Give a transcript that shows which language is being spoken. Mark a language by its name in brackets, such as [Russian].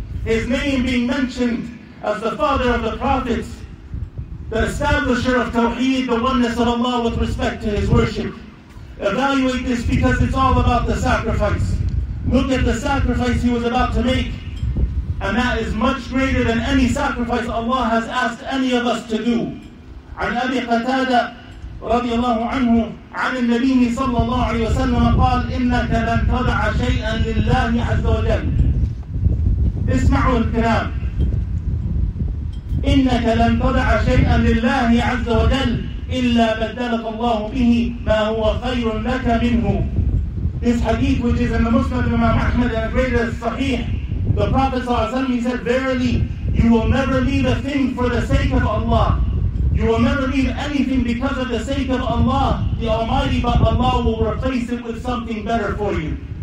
[English] His name being mentioned as the father of the prophets, the establisher of Tawheed, the oneness of Allah with respect to his worship. evaluate this because it's all about the sacrifice. Look at the sacrifice he was about to make. And that is much greater than any sacrifice Allah has asked any of us to do. [Arabic] عن أبي قتادة رضي الله عنه عن النبي صلى الله عليه وسلم قال إنك لن تضع شيئا لله عز وجل. اسمعوا الكلام. إنك لن تضع شيئا لله عز وجل إلا بدلك الله به ما هو خير لك منه. [English] This hadith, which is in the Muslim of Imam Ahmad and greatest Sahih, the Prophet ﷺ, he said, verily, you will never leave a thing for the sake of Allah. You will never leave anything because of the sake of Allah, the Almighty, but Allah will replace it with something better for you.